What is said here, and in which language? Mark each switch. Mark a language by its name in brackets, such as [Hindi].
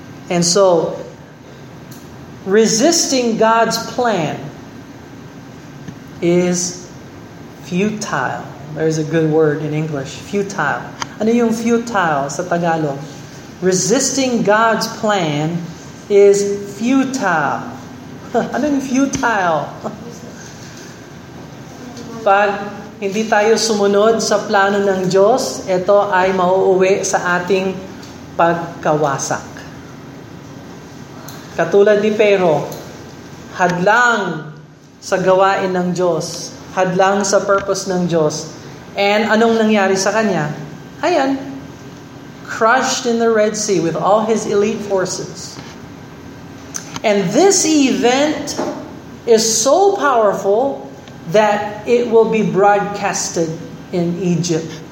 [English] And so, resisting God's plan is futile. There's a good word in English, futile. [Filipino] Ano yung futile sa Tagalog? [English] Resisting God's plan is futile. [Filipino] Ano yung futile? Pag hindi tayo sumunod sa plano ng Diyos, ito ay mauuwi sa ating pagkawasak. Katulad ni Pero, hadlang sa gawain ng Diyos, hadlang sa purpose ng Diyos. [English] And [Filipino] anong nangyari sa kanya? [English] Ayan, crushed in the Red Sea with all his elite forces. And this event is so powerful that it will be broadcasted in Egypt.